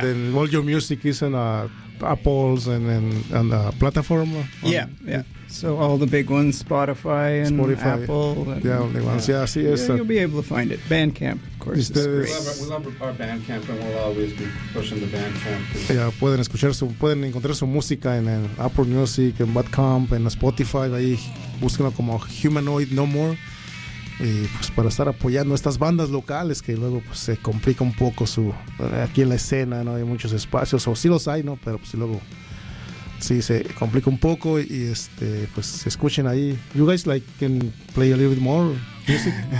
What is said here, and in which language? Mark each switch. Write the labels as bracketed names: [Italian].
[English] Then all your music is on Apple's and the platform? Yeah. So all the big ones, Spotify. Apple. And, yeah, only ones. Yeah, see, yes. Yeah, you'll be able to find it. Bandcamp, of course. Is great. We love our Bandcamp, and we'll always be pushing the Bandcamp. [Spanish] Yeah, pueden escuchar su, pueden encontrar su música en Apple Music, en Bandcamp, en Spotify. Ahí búsquenlo como Humanoid No More. Y pues para estar apoyando estas bandas locales que luego pues se complica un poco su aquí en la escena, no hay muchos espacios, o sí los hay, ¿no? Pero pues luego sí se complica un poco y pues escuchen ahí. [English] You guys like can play a little bit more music?